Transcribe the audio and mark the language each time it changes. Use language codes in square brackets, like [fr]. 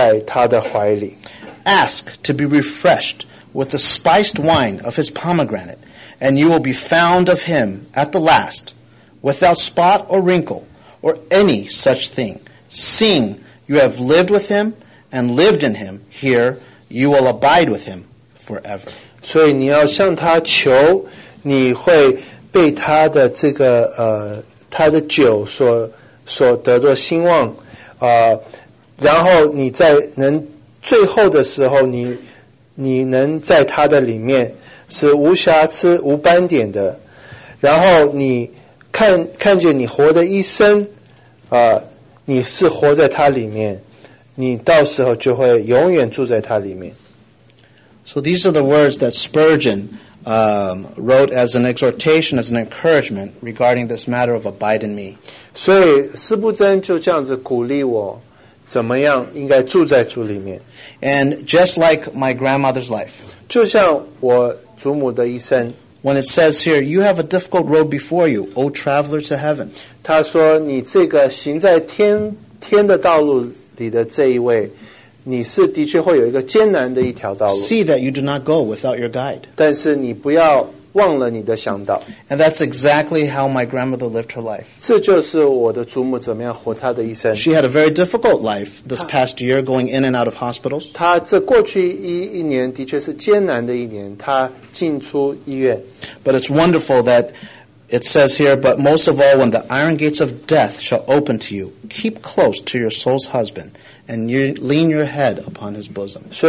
[zh] 让你的丈夫，你要靠近你的丈夫，然后你要躺卧在他的怀里。 [en] Ask to be refreshed with the spiced wine of his pomegranate, and you will be found of him at the last, without spot or wrinkle or any such thing. Seeing you have lived with him and lived in him, here you will abide with him forever. [zh] 所以你要向他求，你会被他的这个，他的酒所得的兴旺，然后你在能最后的时候，你能在他的里面是无瑕疵、无斑点的，然后你看见你活的一生，你是活在他里面，你到时候就会永远住在他里面。 [en] So these are the words that Spurgeon wrote as an exhortation, as an encouragement regarding this matter of abide in me. [zh] 所以斯布珍就这样子鼓励我, 怎么样应该住在主里面? [en] And just like my grandmother's life. [zh] 就像我祖母的一生, [en] when it says here, you have a difficult road before you, O traveler to heaven. [zh] 他说你这个行在天的道路里的这一位, 你是的确会有一个艰难的一条道路。 [en] See that you do not go without your guide. [zh] 但是你不要忘了你的向导。 [en] And that's exactly how my grandmother lived her life. [zh] 这就是我的祖母怎么样活她的一生。 [en] She had a very difficult life this past year, going in and out of hospitals. [zh] 她这过去一年的确是艰难的一年, 她进出医院。 [en] But it's wonderful that it says here, but most of all, when the iron gates of death shall open to you, keep close to your soul's husband, and you lean your head upon his bosom.